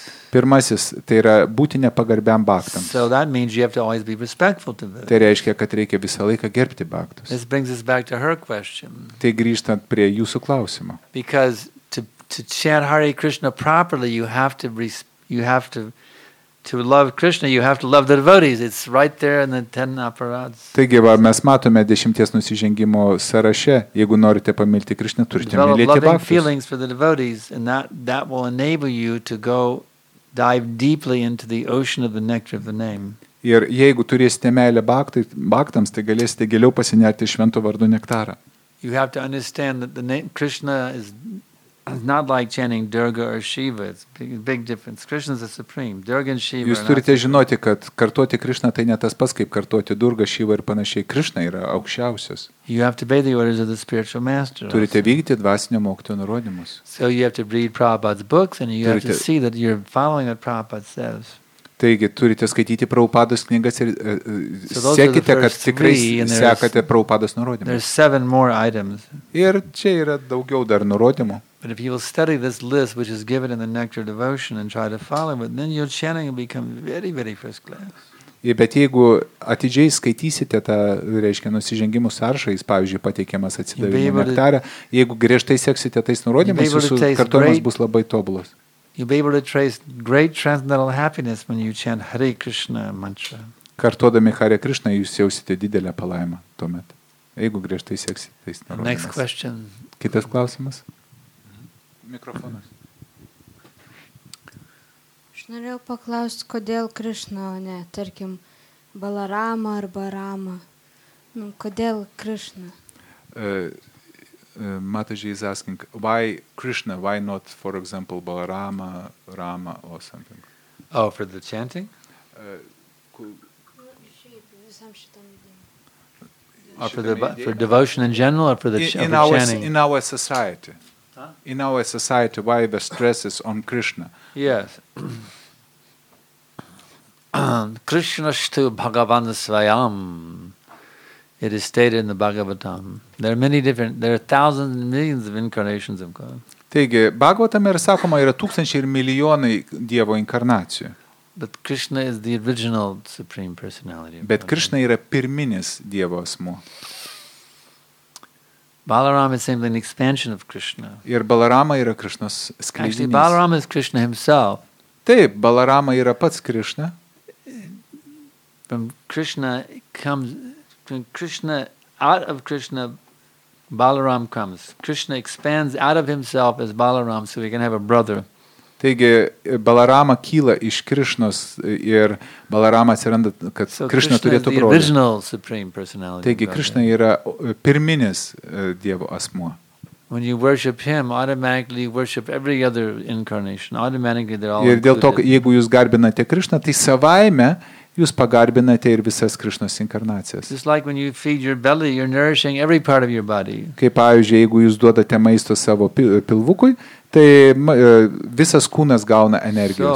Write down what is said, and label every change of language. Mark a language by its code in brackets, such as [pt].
[lt] Pirmasis, tai yra būti nepagarbiam baktams. [en] So that means you have to always be respectful to them. [lt] Tai reiškia, kad reikia visą laiką gerbti baktus. [en] This brings us back to her question. [lt] Tai grįžtant prie jūsų klausimo. [en] Because to chant Hare Krishna properly, you have to love Krishna, you have to love the devotees. It's right there in the 10 apparads. [lt] Taigi, va, mes matome 10 nusižengimo sąraše. Jeigu norite pamilti Krishna, turite mylėti baktus. [en] Develop loving feelings for the devotees, and that will enable you to go dive deeply into the ocean of the nectar of the name. [lt] Ir jeigu turėsite meilę baktams, tai galėsite giliau pasinerti švento vardu nektarą. [en] You have to understand that the name Krishna is not like chanting Durga or Shiva. It's big difference. Krishna is the supreme. Durga and Shiva. [lt] Jūs turite žinoti, kad kartoti Krishna tai ne tas pats kaip kartoti Durga, Shiva ir panašiai. Krishna yra aukščiausias. [en] You have to obey the orders of the spiritual master. [lt] Turite vykdyti dvasinio mokytojo nurodymus. [en] So you have to read Prabhupada's books and you have to see that you're following what Prabhupada says. [lt] Taigi turite skaityti Prabhupados knygas ir sekite, kad tikrai sekate Prabhupados nurodymus. [en] There's 7 more items. [lt] Ir čia yra daugiau dar nurodymų. [en] But if you will study this list which is given in the Nectar Devotion and try to follow it, then your chanting will become very, very first class. [lt] Bet jeigu atidžiai skaitysite tą, reiškia, nusižengimų sąrašą, jis, pavyzdžiui, pateikiamas atsidavimo nektarą, jeigu griežtai seksite tais nurodymais, jūsų kartojimas bus labai tobulas. [en] You'll be able to trace great transcendental happiness when you chant Hare Krishna mantra. [lt] Kartodami Hare Krishna, jūs jausite didelę palaimą tuomet, jeigu griežtai seksite tais nurodymais. [en] Next question. [lt] Kitas klausimas. Mikrofonas. Aš norėjau paklausti, kodėl Krishna, o ne, tarkim, Balarama arba Rama. Nu, kodėl Krishna? [en] Mataji is asking, why Krishna, why not, for example, Balarama, Rama, or something? Oh, for the chanting? Or for devotion in general, or for the chanting? In our society. Huh? In our society, why the stress is on Krishna? Yes. [sa] Krishna shtu Bhagavan Svayam. [en] It is stated in the Bhagavatam. There are many different, there are thousands and millions of incarnations of God. [lt] Taigi, Bhagavatam yra sakoma, yra tūkstančiai ir milijonai Dievo inkarnacijų. [en] But Krishna is the original Supreme Personality. [lt] Bet Krishna yra pirminis Dievo asmuo. [en] Balarama is simply an expansion of Krishna. [lt] Ir Balarama yra Krishnos skleidinys. [en] Actually, Balarama is Krishna himself. [lt] Taip, Balarama yra pats Krishna. [en] From Krishna comes, from Krishna, out of Krishna, Balaram comes. Krishna expands out of himself as Balaram, so we can have a brother. [lt] Taigi, Balarama kyla iš Krishnos ir Balarama atsiranda, kad [en] so [lt] Krishna turėtų brolį. [en] Original Supreme Personality. [lt] Taigi, Krishna yra pirminis Dievo asmuo. [en] When you worship him, automatically you worship every other incarnation. Automatically they're all included. [lt] Ir dėl to, jeigu jūs garbinate Krishna, tai savaime jūs pagarbinate ir visas Krishnos inkarnacijas. [en] It's like when you feed your belly, you're nourishing every part of your body. [lt] Kaip pavyzdžiui, jeigu jūs duodate maisto savo pilvukui, tai visas kūnas gauna energijos.